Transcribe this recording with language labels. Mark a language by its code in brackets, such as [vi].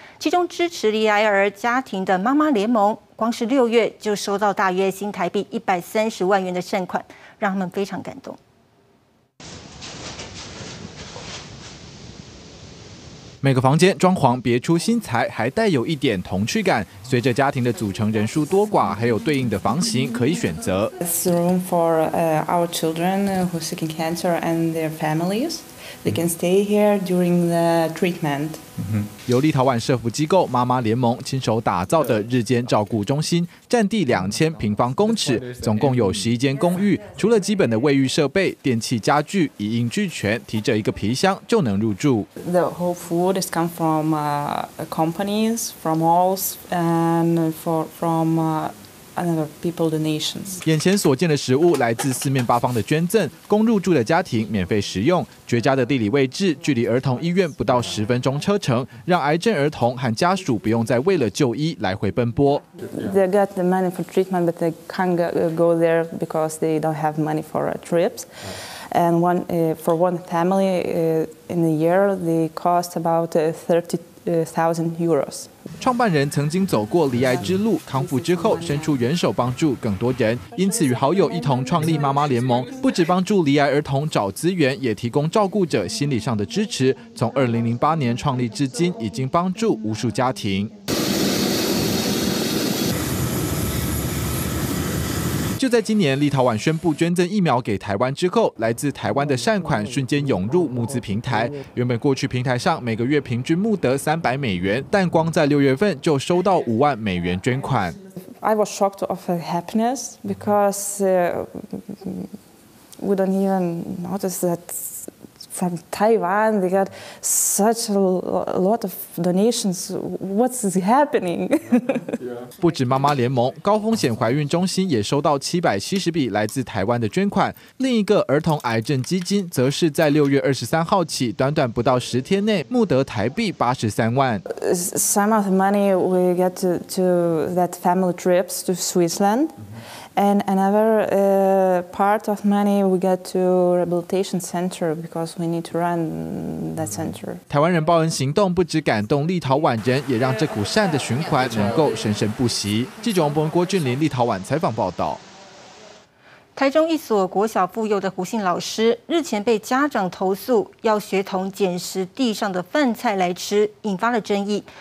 [zh] 其中支持罹癌儿家庭的妈妈联盟，光是六月就收到大约新台币130万元的善款，让他们非常感动。每个房间装潢别出心裁，还带有一点童趣感。随着家庭的组成人数多寡，还有对应的房型可以选择。 [en] It's room for our children who are seeking cancer and their families. They can stay here during the treatment. [zh] 由立陶宛社福机构妈妈联盟亲手打造的日间照顾中心，占地2000平方公尺，总共有11间公寓。除了基本的卫浴设备、电器家具一应俱全，提着一个皮箱就能入住。 [en] The whole food is come from companies, from halls, and from another people donations. [zh] 眼前所见的食物来自四面八方的捐赠，供入住的家庭免费食用。绝佳的地理位置，距离儿童医院不到10分钟车程，让癌症儿童和家属不用再为了就医来回奔波。 [en] They got the money for treatment, but they can't go there because they don't have money for trips. And one for one family in a year, they cost about 30,000 euros. [zh] 创办人曾经走过罹癌之路，康复之后伸出援手帮助更多人，因此与好友一同创立妈妈联盟，不只帮助罹癌儿童找资源，也提供照顾者心理上的支持。从2008年创立至今，已经帮助无数家庭。就在今年，立陶宛宣布捐赠疫苗给台湾之后，来自台湾的善款瞬间涌入募资平台。原本过去平台上每个月平均募得300美元，但光在六月份就收到50,000美元捐款。 [en] I was shocked of happiness because we don't even notice that from Taiwan they got such a lot of donations. What's happening? [zh] 不止妈妈联盟，高风险怀孕中心也收到770笔来自台湾的捐款。另一个儿童癌症基金，则是在6月23号起，短短不到10天内募得台币83万。 [en] Some of the money we get to that family trips to Switzerland. And another part of money we get to rehabilitation center because we need to run that center. [zh] 台湾人报恩行动不只感动立陶宛人，也让这股善的循环能够生生不息。记者王博文、郭俊麟立陶宛采访报道。台中一所国小妇幼的胡姓老师日前被家长投诉要学童捡食地上的饭菜来吃，引发了争议。